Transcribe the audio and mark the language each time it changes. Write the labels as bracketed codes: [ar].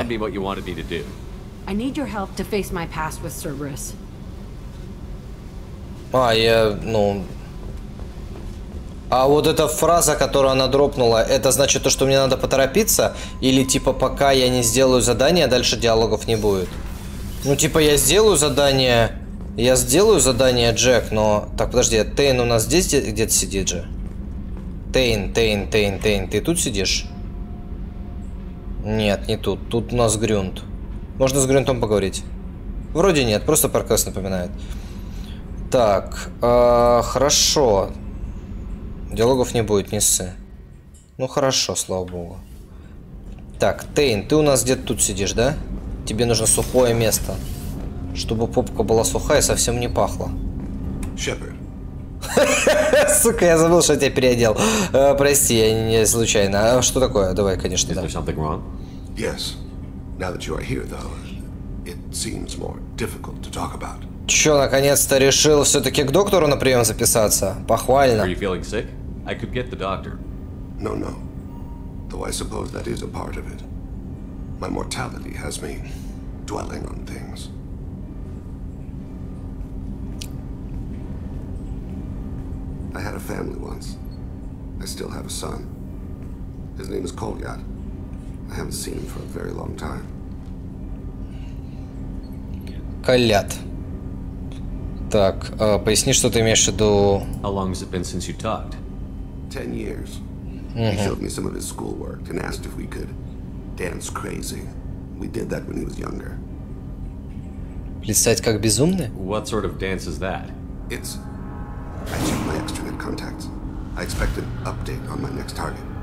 [en] Remind me what you wanted me to do. I need your help to face my past with Cerberus. [ru] А я, ну. А вот эта фраза, которую она дропнула, это значит то, что мне надо поторопиться? Или типа, пока я не сделаю задание, дальше диалогов не будет? Ну типа, я сделаю задание, Джек, но... Так, подожди, Тейн у нас здесь где-то сидит же? Тейн, ты тут сидишь? Нет, не тут, тут у нас Грюнт. Можно с Грюнтом поговорить? Вроде нет, просто Паркас напоминает. Так, хорошо. Диалогов не будет, не ссы. Ну хорошо, слава богу. Так, Тейн, ты у нас где-то тут сидишь, да? Тебе нужно сухое место. Чтобы попка была сухая и совсем не пахла. Шепард. Сука, я забыл, что я тебя переодел. Прости, я не случайно. А что такое? Давай, конечно, да. [en] Yes. Now that you are here, though, it seems more difficult to talk about. [ru] Чё, наконец-то решил всё-таки к доктору на приём записаться? Похвально. [en] Are you feeling sick? I could get the doctor. No. Though I suppose that is a part of it. My mortality has me dwelling on things. I had a family once. I still have a son. His name is Kolyat. I haven't seen him for a very long time. Kolyat. [ru] Так, поясни, что ты имеешь в виду. [en] How long has it been since you talked? 10 years. He showed me some of his schoolwork and asked if we could dance crazy. We did that when he was younger. [ru] Плясать как безумный? [en] What sort of dance is that? It's... I checked my extranet contacts. I expect an update on my next target.